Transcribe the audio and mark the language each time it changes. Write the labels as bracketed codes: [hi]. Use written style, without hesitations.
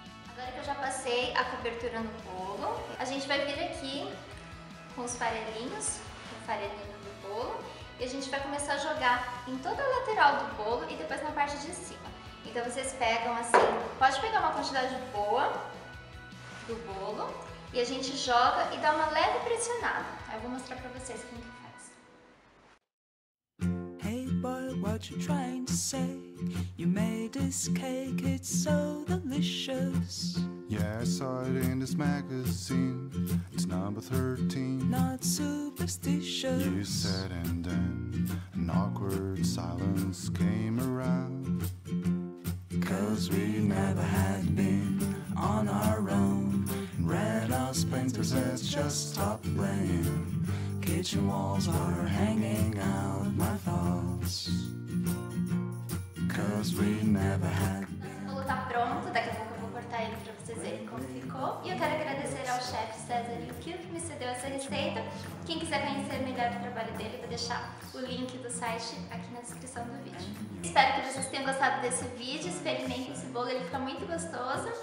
[pt] Agora que eu já passei a cobertura no bolo, a gente vai vir aqui com os farelinhos, com o farelinho do bolo, e a gente vai começar a jogar em toda a lateral do bolo e depois na parte de cima. Então vocês pegam assim, pode pegar uma quantidade boa do bolo e a gente joga e dá uma leve pressionada. Aí eu vou mostrar pra vocês como que faz. [en] Hey boy, what you trying to say? You made this cake, it's so delicious. Yeah, I saw it in this magazine. It's number 13. Not superstitious. You said, and then an awkward silence came around. 'Cause we never had been on our own. Red house painters had just stopped playing. Kitchen walls were hanging out my thoughts. [pt] O bolo tá pronto, daqui a pouco eu vou cortar ele pra vocês verem como ficou. E eu quero agradecer ao chefe César Yukio que me cedeu essa receita. Quem quiser conhecer melhor o trabalho dele, vou deixar o link do site aqui na descrição do vídeo. Espero que vocês tenham gostado desse vídeo, experimentem esse bolo, ele fica muito gostoso.